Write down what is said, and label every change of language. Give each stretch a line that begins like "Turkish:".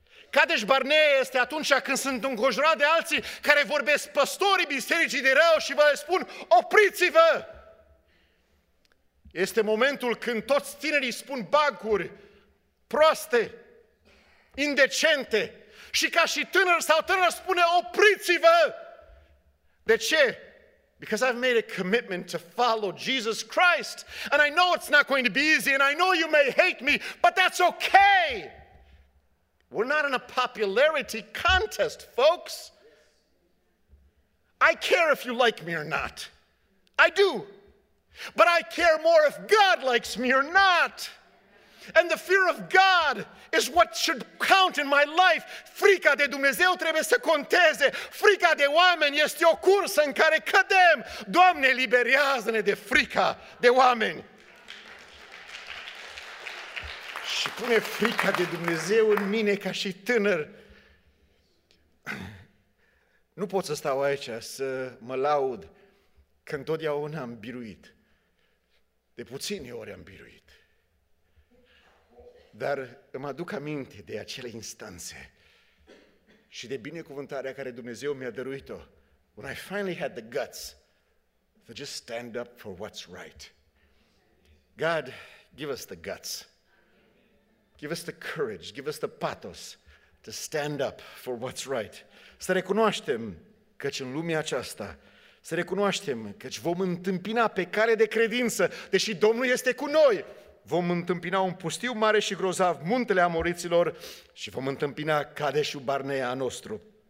Romanian: Kadesh Barnea este atunci când sunt înconjurat de alții care vorbesc păstorii bisericii de rău și vă le spun, opriți-vă! Este momentul când toți tinerii spun baguri proaste, indecente și ca și tânăr sau tânăr spune, opriți-vă! De ce?
English: Because I've made a commitment to follow Jesus Christ and I know it's not going to be easy and I know you may hate me, but that's okay! We're not in a popularity contest, folks. I care if you like me or not. I do. But I care more if God likes me or not. And the fear of God is what should count in my life.
Romanian: Frica de Dumnezeu trebuie să conteze. Frica de oameni este o cursă în care cădem. Doamne, liberează-ne de frica de oameni. Și pune frica de Dumnezeu în mine ca și tânăr. Nu pot să stau aici să mă laud că întotdeauna am biruit. De puține ori am biruit. Dar îmi aduc aminte de acele instanțe și de binecuvântarea care Dumnezeu mi-a dăruit-o.
English: When I finally had the guts to just stand up for what's right. God, give us the guts. Give us the courage, give us the pathos to stand up for what's right.
Romanian: Să recunoaștem căci în lumea aceasta, să recunoaștem căci vom întâmpina pe cale de credință, deși Domnul este cu noi, vom întâmpina un pustiu mare și grozav, muntele Amoriților și vom întâmpina Kadeshul Barnea nostru.